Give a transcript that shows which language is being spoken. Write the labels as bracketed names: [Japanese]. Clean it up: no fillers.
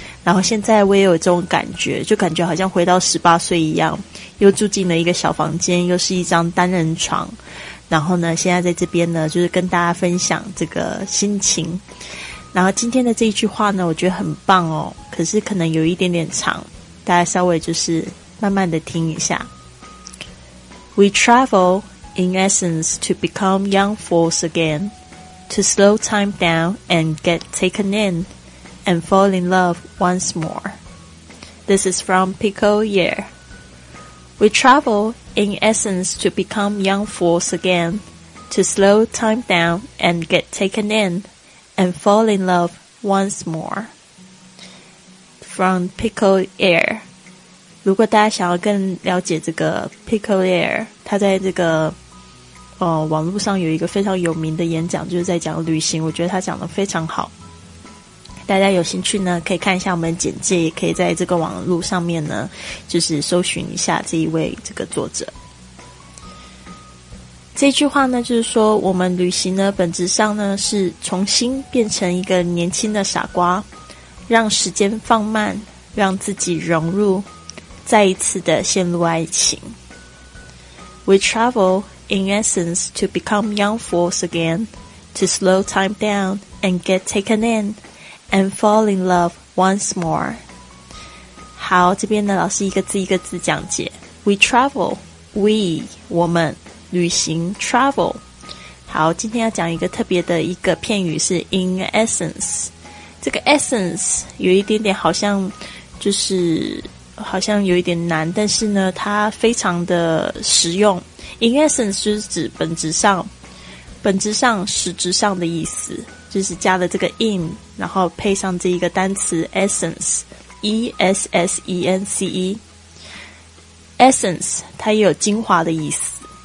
[Chinese] 然后现在我也有这种感觉，就感觉好像回到18岁一样，又住进了一个小房间，又是一张单人床。然后呢现在在这边呢就是跟大家分享这个心情。然后今天的这一句话呢我觉得很棒哦，可是可能有一点点长，大家稍微就是慢慢的听一下。 [English] We travel in essence to become young fools again, to slow time down and get taken in and fall in love once more. This is from Pico Year. We travel in essence to become young fools again, to slow time down and get taken inAnd fall in love once more. From Pickled Air. [Chinese] 如果大家想要更了解这个 Pickled Air， 他在这个网络上有一个非常有名的演讲，就是在讲旅行，我觉得他讲得非常好。大家有兴趣呢可以看一下我们简介，也可以在这个网络上面呢就是搜寻一下这一位这个作者。这句话呢就是说我们旅行呢本质上呢是重新变成一个年轻的傻瓜，让时间放慢，让自己融入，再一次的陷入爱情。 [English] We travel in essence to become young fools again, to slow time down and get taken in and fall in love once more. [Chinese] 好，这边呢老师一个字一个字讲解。 [English] We travel, we, [Chinese] 我们旅行 [English] travel。 [Chinese] 好，今天要讲一个特别的一个片语，是 in essence。这个 essence 有一点点好像就是好像有一点难，但是呢它非常的实用。 in essence 就是指本质上，本质上实质上的意思，就是加了这个 in 然后配上这一个单词 essence， E-S-S-E-N-C-E， essence 它也有精华的意思。